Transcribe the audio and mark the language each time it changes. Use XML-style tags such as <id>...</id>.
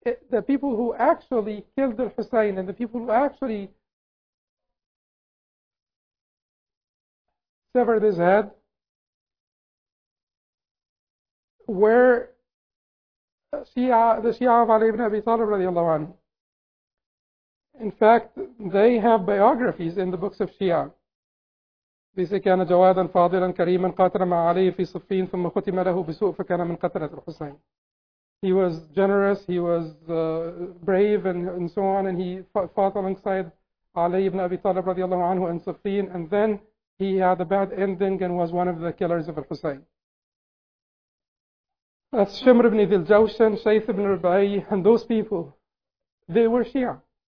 <en>The people who actually killed Hussein and the people who actually severed his head were the Shia of Ali ibn Abi Talib radiallahu anhu. In fact, they have biographies in the books of Shia. They say,</en> <ar>كان جوادا فاضلا كريما قاتل مع علي في صفين ثم ختم له بسوء فكان من قتلة الحسين.</ar> <en>He was generous, he was brave and so on, and he fought alongside Ali ibn Abi Talib radiallahu anhu in صفين, and then he had a bad ending and was one of the killers of al-Husayn. That's Shimr ibn Dhiljawshan, Shaykh ibn Rubai, and those people, they were Shia.</en>